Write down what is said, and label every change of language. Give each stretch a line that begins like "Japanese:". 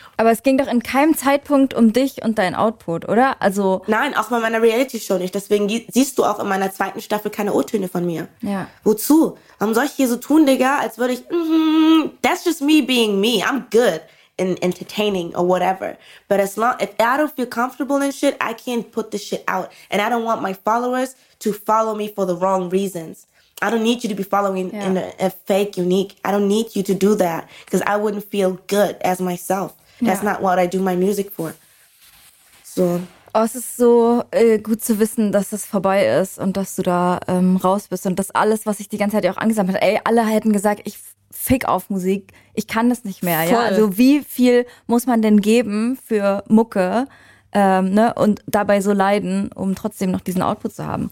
German: Aber es ging doch in keinem Zeitpunkt um dich und dein Output, oder? Also nein, auch bei meiner Reality-Show nicht. Deswegen siehst du auch in meiner zweiten Staffel keine O-Töne von mir. Ja. Wozu? Warum soll ich hier so tun, Digga, als würde ich,
English: that's just me being me, I'm good. In entertaining or whatever. But as long if I don't feel comfortable in shit, I can't put this shit out. And I don't want my followers to follow me for the wrong reasons. I don't need you to be following in a fake unique. I don't need you to do that because I wouldn't feel good as myself. That's not what I do my music for. So.
German: Oh, es ist so gut zu wissen, dass das vorbei ist und dass du da raus bist und dass alles, was ich die ganze Zeit auch angesammelt habe, ey, alle hätten gesagt, ich fick auf Musik, ich kann das nicht mehr. Voll. Ja. Also wie viel muss man denn geben für Mucke, ne, und dabei so leiden, um trotzdem noch diesen Output zu haben.